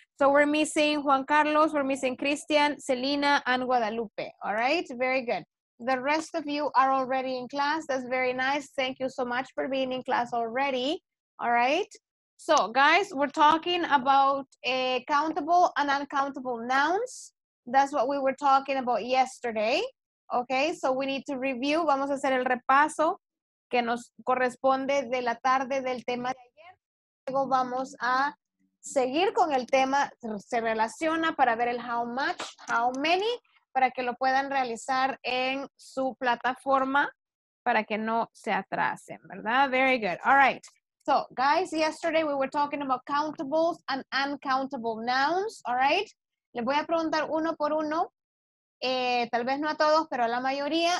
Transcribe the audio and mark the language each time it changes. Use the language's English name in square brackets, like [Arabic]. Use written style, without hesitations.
[English] So we're missing Juan Carlos, we're missing Christian, Selena, and Guadalupe. All right, very good. The rest of you are already in class. That's very nice. Thank you so much for being in class already. All right, so guys, we're talking about countable and uncountable nouns. That's what we were talking about yesterday. Okay, so we need to review. [Spanish] Vamos a hacer el repaso que nos corresponde de la tarde del tema de ayer. Luego vamos a seguir con el tema, se relaciona para ver el how much, how many, para que lo puedan realizar en su plataforma para que no se atrasen, ¿verdad? [English] Very good. All right. So, guys, yesterday we were talking about countables and uncountable nouns, all right? [Spanish] Les voy a preguntar uno por uno, tal vez no a todos, pero a la mayoría.